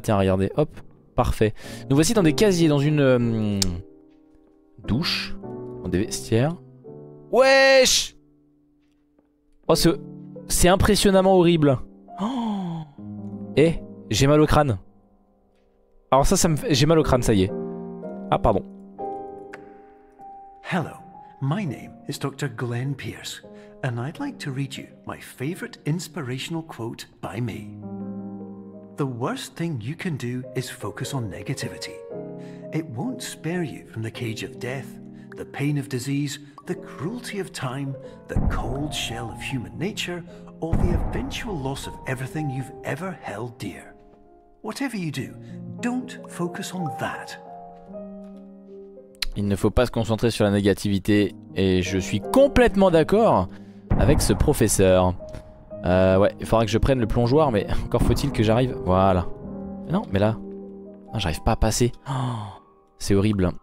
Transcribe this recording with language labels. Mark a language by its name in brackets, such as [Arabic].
[French] Tiens, regardez. Hop, parfait. Nous voici dans des casiers. Dans une douche. Dans des vestiaires. Wesh! Oh, c'est impressionnamment horrible. Oh. Eh, j'ai mal au crâne. Alors ça me fait... J'ai mal au crâne, ça y est. Ah, pardon. [English] Hello, my name is Dr. Glenn Pierce, and I'd like to read you my favorite inspirational quote by me. The worst thing you can do is focus on negativity. It won't spare you from the cage of death, the pain of disease, the cruelty of time, the cold shell of human nature, or the eventual loss of everything you've ever held dear. Whatever you do, don't focus on that. [French] Il ne faut pas se concentrer sur la négativité, et je suis complètement d'accord avec ce professeur. Ouais, il faudra que je prenne le plongeoir, mais encore faut-il que j'arrive... Voilà. Non, mais là, j'arrive pas à passer. Oh, c'est horrible.